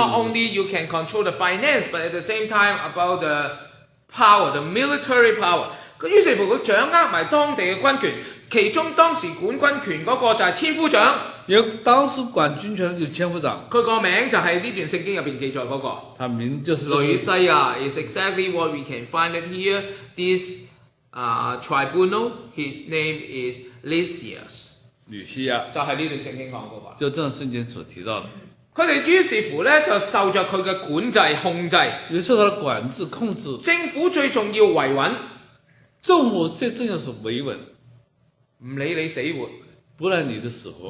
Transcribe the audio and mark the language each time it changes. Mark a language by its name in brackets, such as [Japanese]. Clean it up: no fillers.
[English] Not only you can control the finance but at the same time about the power the military power， [Chinese] 于是乎他掌握了当地的军权，其中当时管军权的那个就是千夫长，因为当时管军权的就是千夫长，他的名字就是这段圣经里面记载的那个，他名字就是吕西亚。 [English] It's exactly what we can find it here this tribunal his name is Lysias， [Chinese] 吕西亚就是这段圣经讲的那个，就这段圣经所提到的。他们于是乎呢就受着他的管制控制，于是他的管制控制，政府最重要维稳，政府最重要是维稳，不理你死活，不论你的死活，